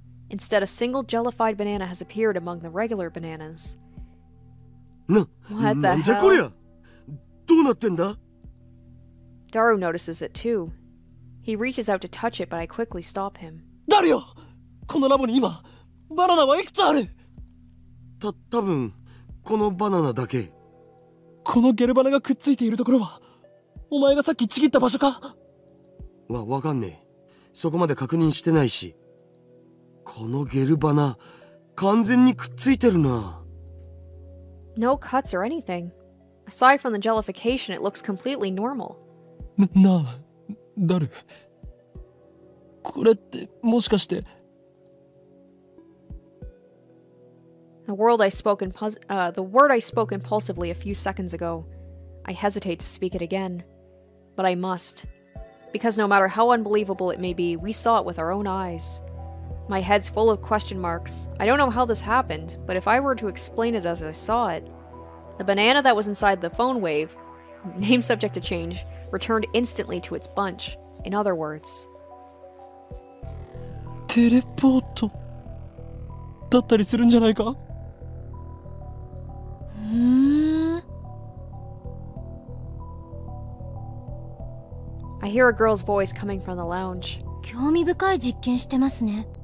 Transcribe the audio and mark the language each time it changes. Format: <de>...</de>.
<en>Instead, a single jellified banana has appeared among the regular bananas. What the hell? What's this? What's happening? Daru notices it too. He reaches out to touch it, but I quickly stop him. Daru! In this lab, how many bananas are there? Probably...</en> <ja>このバナナだけ。このゲルバナがくっついているところは、お前がさっきちぎった場所か？わかんねえ。そこまで確認してないし。このゲルバナ、完全にくっついてるな。</ja> <en>No cuts or anything. Aside from the jellification, it looks completely normal.</en> <ja>なあ、ダル。これって、もしかして…</ja> <en>The word I spoke impulsively a few seconds ago. I hesitate to speak it again. But I must. Because no matter how unbelievable it may be, we saw it with our own eyes. My head's full of question marks. I don't know how this happened, but if I were to explain it as I saw it, the banana that was inside the phone wave, name subject to change, returned instantly to its bunch. In other words... Teleporto...</en> <ja>だったりするんじゃないか？</ja> <en>I hear a girl's voice coming from the lounge.</en> <ja>興味深い実験してますね。</ja>